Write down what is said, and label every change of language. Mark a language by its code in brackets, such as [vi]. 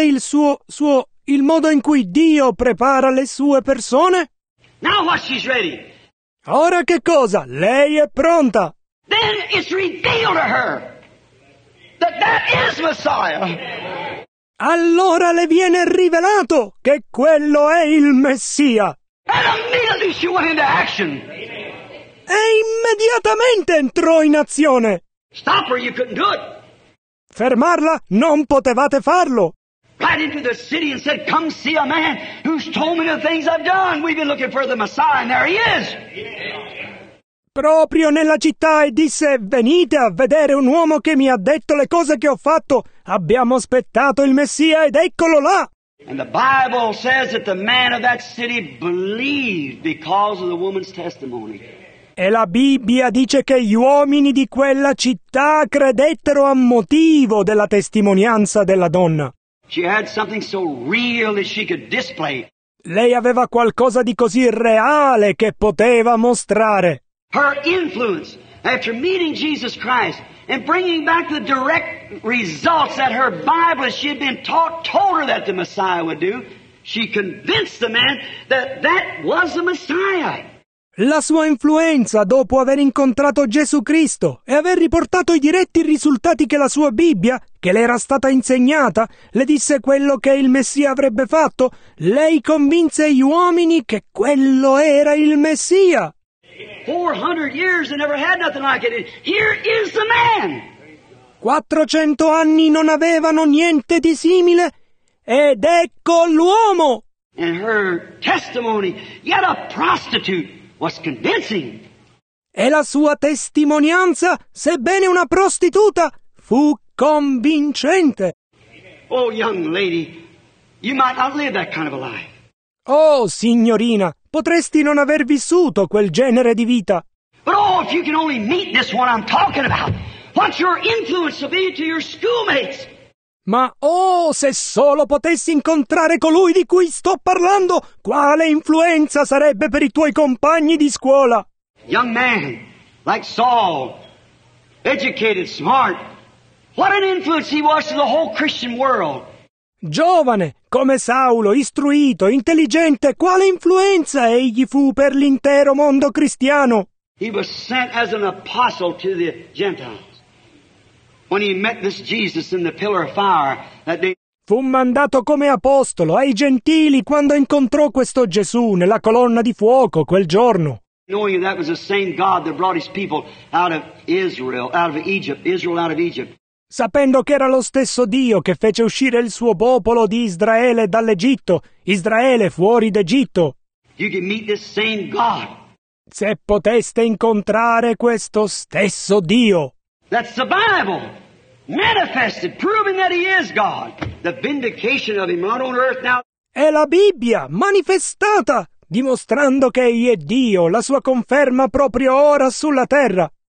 [it] Vedete il modo in cui Dio prepara le sue persone? [en] Now what, she's ready. [it] Ora che cosa? Lei è pronta. [en] Then it's revealed to her that that is Messiah. [it] Allora le viene rivelato che quello è il Messia. [en] And immediately she went into action. [it] E immediatamente entrò in azione. [en] Stop her, you couldn't do it. [it] Fermarla, non potevate farlo. [en] Right into the city and said, come see a man who's told me the things I've done. We've been looking for the Messiah, and there he is. [it] Proprio nella città e disse, venite a vedere un uomo che mi ha detto le cose che ho fatto. Abbiamo aspettato il Messia ed eccolo là. [en] And the Bible says that the man of that city believed because of the woman's testimony. [it] E la Bibbia dice che gli uomini di quella città credettero a motivo della testimonianza della donna. [en] She had something so real that she could display. [it] Lei aveva qualcosa di così reale che poteva mostrare. [en] Her influence after meeting Jesus Christ and bringing back the direct results that her Bible she had been taught told her that the Messiah would do, she convinced the man that that was the Messiah. [it] La sua influenza dopo aver incontrato Gesù Cristo e aver riportato i diretti risultati che la sua Bibbia, che le era stata insegnata, le disse quello che il Messia avrebbe fatto, lei convinse gli uomini che quello era il Messia. [en] 400 years and never had nothing like it. Here is the man. [it] 400 anni non avevano niente di simile ed ecco l'uomo. [en] And her testimony, yet a prostitute, was convincing. [it] E la sua testimonianza, sebbene una prostituta, fu convincente. [en] Oh young lady, you might not live that kind of a life. [it] Oh signorina, potresti non aver vissuto quel genere di vita. [en] But oh, if you can only meet this one I'm talking about, what your influence will be to your schoolmates. [it] Ma oh, se solo potessi incontrare colui di cui sto parlando, quale influenza sarebbe per i tuoi compagni di scuola? [en] Young man, like Saul, educated, smart, what an influence he was to the whole Christian world. [it] Giovane, come Saulo, istruito, intelligente, quale influenza egli fu per l'intero mondo cristiano? [en] He was sent as an apostle to the Gentiles. When he met this Jesus in the pillar of fire that day. [it] Fu mandato come apostolo ai gentili quando incontrò questo Gesù nella colonna di fuoco quel giorno. [en] Knowing that was the same God that brought his people out of Israel, out of Egypt, Israel out of Egypt. [it] Sapendo che era lo stesso Dio che fece uscire il suo popolo di Israele dall'Egitto, Israele fuori d'Egitto. [en] You can meet this same God. [it] Se poteste incontrare questo stesso Dio. [en] That's the Bible, manifested, proving that he is God. The vindication of him, not on earth now. [it] È la Bibbia manifestata, dimostrando che egli è Dio, la sua conferma proprio ora sulla terra.